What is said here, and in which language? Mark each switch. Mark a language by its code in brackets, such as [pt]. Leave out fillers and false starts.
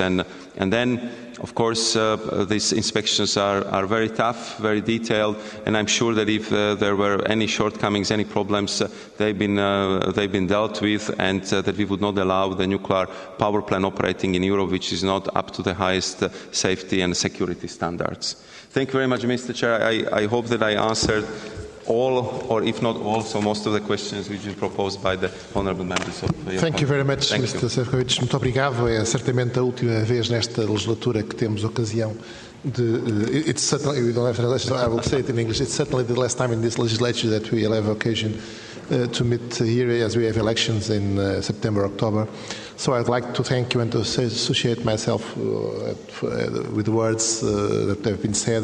[en] And then, of course, these inspections are very tough, very detailed, and I'm sure that if there were any shortcomings, any problems, they've been dealt with, and that we would not allow the nuclear power plant operating in Europe, which is not up to the highest safety and security standards. Thank you very much, Mr. Chair. I hope that I answered all, or if not all, so most of the questions which are proposed by the honourable members of your Thank you very much, Thank Mr. Sefcovic. [pt] Muito obrigado. É certamente a última vez nesta legislatura que temos ocasião de. [en] It's certainly, we don't have a legislature, I will say it in English. It's certainly the last time in this legislature that we have occasion to meet here as we have elections in September, October. So I'd like to thank you and to associate myself with the words that have been said.